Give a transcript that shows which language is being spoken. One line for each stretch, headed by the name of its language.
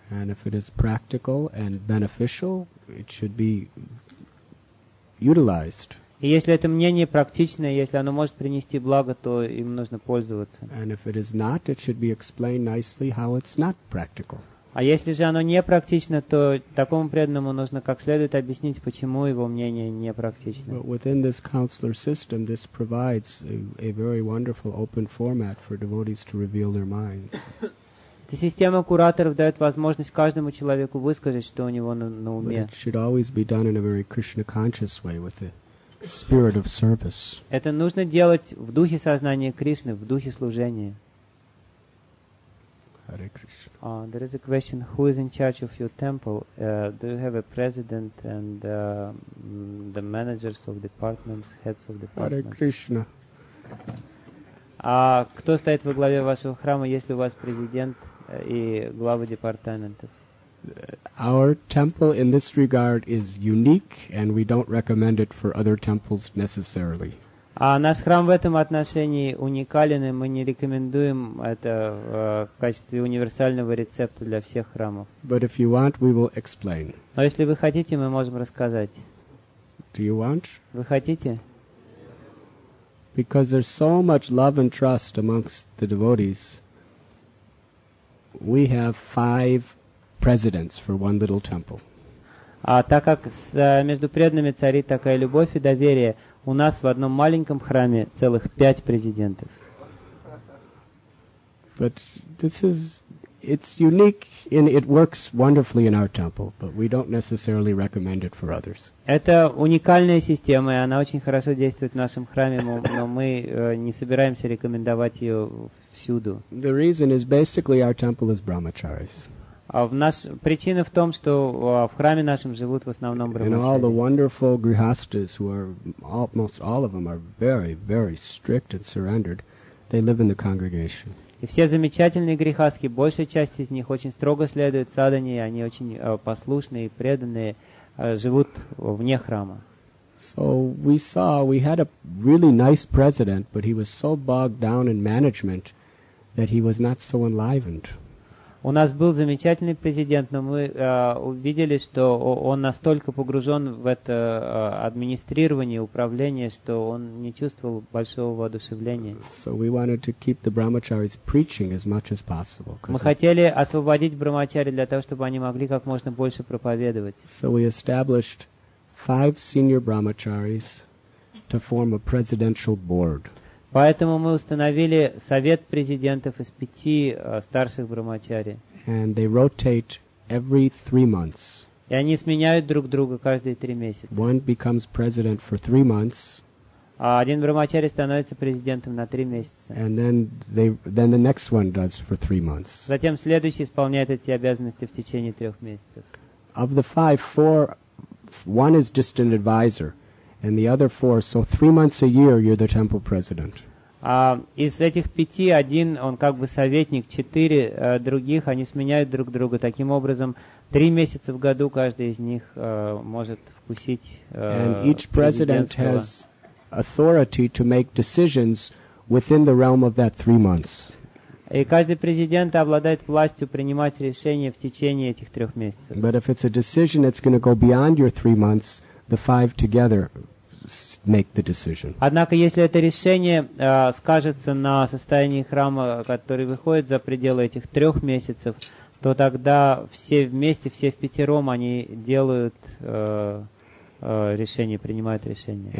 English: And if it is practical and beneficial, it should be utilized.
Russian: И если это мнение практичное, если оно может принести благо, то им нужно пользоваться.
English: And if it is not, it should be explained nicely how it's not practical.
Russian: А если же оно не практично, то такому преданному нужно как следует объяснить, почему его мнение не практично.
English: But within this counselor system, this provides a very wonderful open format for devotees to reveal their minds.
Russian: Эта система кураторов дает возможность каждому человеку высказать, что у него на уме.
English: But it should always be done in a very Krishna-conscious way, with the spirit of service.
Russian: Это нужно делать в духе сознания Кришны, в духе служения.
English: Hare Krishna. There is a question, who is in charge of your temple? Do you have a president and the managers of departments, heads of departments? Hare Krishna.
Russian: Кто стоит во главе вашего храма, если у вас президент и главы департаментов?
English: Our temple in this regard is unique, and we don't recommend it for other temples necessarily.
Russian: Наш храм в этом отношении уникален, и мы не рекомендуем это в качестве универсального рецепта для всех храмов.
English: But if you want, we will explain.
Russian: Но если вы хотите, мы можем рассказать.
English: Do you want?
Russian: Вы хотите?
English: Because there's so much love and trust amongst the devotees, we have five presidents for one little temple.
Russian: Так как между преданными царит такая любовь и доверие, у нас в одном маленьком храме целых 5 президентов.
English: But this is, it's unique and it works wonderfully in our temple, but we don't necessarily recommend it for others.
Russian: Это уникальная система, и она очень хорошо действует в нашем храме, но мы не собираемся рекомендовать ее всюду.
English: The reason is basically our temple is brahmacharis.
Russian: Причина в том, что в храме нашем живут в основном брахмачари.
English: And all the wonderful grihasthas, who are almost all of them are very, very strict and surrendered, they live in the congregation.
Russian: И все замечательные грихасхи, большая часть из них очень строго следуют садхане, они очень послушные и преданные, живут вне храма.
English: So we saw, we had a really nice president, but he was so bogged down in management that he was not so enlivened.
Russian: У нас был замечательный президент, но мы увидели, что он настолько погружен в это администрирование, управление, что он не чувствовал большого воодушевления.
English: So we wanted to keep the brahmacharis preaching as much as possible.
Russian: Мы хотели освободить брахмачари для того, чтобы они могли как можно больше проповедовать.
English: So we established 5 senior brahmacharis to form a presidential board.
Russian: Поэтому мы установили совет президентов из 5 старших брахмачари.
English: And they rotate every 3 months.
Russian: И они сменяют друг друга каждые 3 месяца.
English: One becomes president for 3 months.
Russian: Один брахмачари становится президентом на 3 месяца.
English: And then the next one does for 3 months.
Russian: Затем следующий исполняет эти обязанности в течение 3 месяцев.
English: Of the 5, 4, one is just an advisor, and the other 4, so 3 months a year you're the temple president.
Russian: Из этих 5, один он как бы советник, 4 других они сменяют друг друга. Таким образом, 3 месяца в году каждый из них может вкусить.
English: And each president has authority to make decisions within the realm of that 3 months.
Russian: И каждый президент обладает властью принимать решения в течение этих 3 месяцев.
English: But if it's a decision that's going to go beyond your 3 months, the 5 together make the decision.
Russian: Однако если это решение скажется на состоянии храма, который выходит за пределы этих 3 месяцев, то тогда все вместе, все впятером они делают решение, принимают решение.